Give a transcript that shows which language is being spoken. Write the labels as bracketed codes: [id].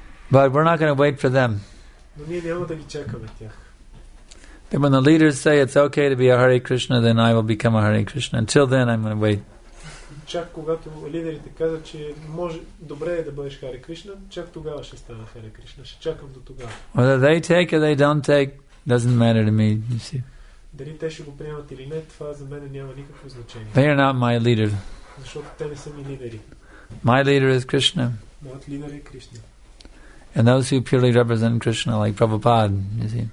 [en] But we're not going to wait for them. Then when the leaders say it's okay to be a Hare Krishna, then I will become a Hare Krishna. Until then, I'm going to wait. [bg] Чак когато лидерите казват, че може добре е да бъдеш Хари Кришна, чак тогава ще стана Хари Кришна. Ще чакам до тогава. [en] Whether they take or they don't take, doesn't matter to me, you see. [bg] Дали те ще го приемат или не, това за мен няма никакво значение. [en] They are not my leader. [bg] Защото те не са ми лидери. [en] My leader is Krishna. [bg] Моят лидер е Кришна. [en] And those who purely represent Krishna, like Prabhupada, you see.